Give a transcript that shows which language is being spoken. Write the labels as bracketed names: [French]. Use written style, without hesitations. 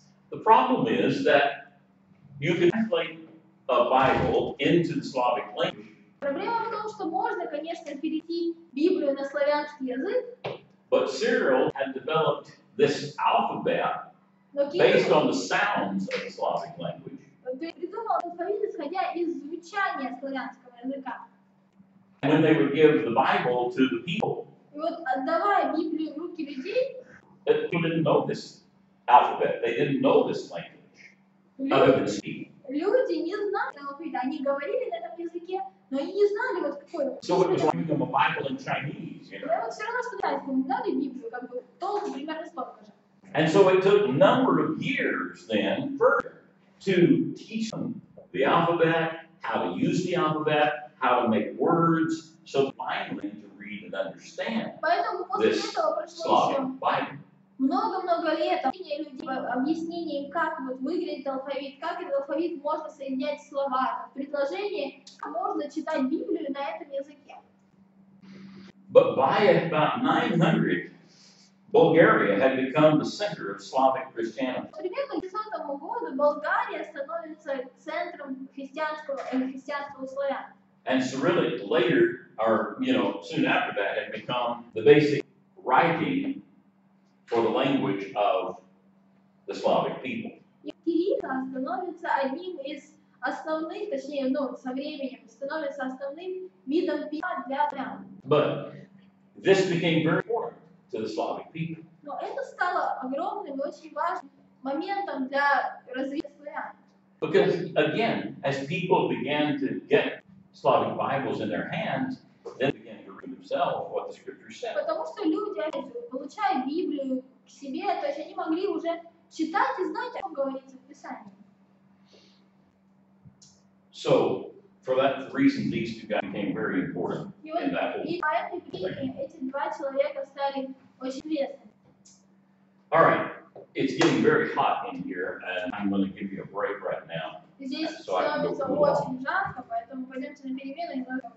[English] The problem is that you can translate a Bible into the Slavic language. [Russian] Проблема в том, что можно, конечно, перевести Библию на славянский язык. [English] But Cyril had developed this alphabet based on the sounds of the Slavic language. [Russian] Придумал алфавит, исходя из звучания славянского языка. [English] And when they would give the Bible to the people, [Russian] вот, отдавая Библию в руки людей, [English] that people didn't know this alphabet. They didn't know this language. Other than speak. [Russian] Люди не знали алфавита. Они говорили на этом языке, но они не знали, вот какой. [English] So it was giving them a Bible in Chinese, you know. [Russian] Да, вот все равно, что дать им дали Библию, как бы, толку примерно столько же. [English] And so it took a number of years then further to teach them the alphabet, how to use the alphabet, how to make words, so finally to read and understand this Slavic Bible. [Russian] Много-много лет общения людей, объяснение им, как вот выглядит алфавит, как этот алфавит можно соединять слова, предложение, как можно читать Библию на этом языке. [English] But by about 900, Bulgaria had become the center of Slavic Christianity. [Russian] Примерно к 900 году Болгария становится центром христианства у славян. [English] And Cyrillic later, or, you know, soon after that, had become the basic writing for the language of the Slavic people. [Russian] Кирилл становится одним из основных, точнее, ну, со временем, становится основным видом письма для славян. [English] But this became very important to the Slavic people. [Russian] Но это стало огромным и очень важным моментом для развития славян. [English] Because, again, as people began to get Slavic Bibles in their hands, then began to read themselves what the scriptures said. [Russian] Потому что люди, получая Библию к себе, то есть они могли уже читать и знать, о чем говорится в Писании. [English] So, for that reason, these two guys became very important in that whole thing. [Russian] И по этой причине эти два человека стали очень известны. [English] All right, it's getting very hot in here, and I'm going to give you a break right now. [Russian] Здесь становится очень жарко, поэтому пойдемте на перемены.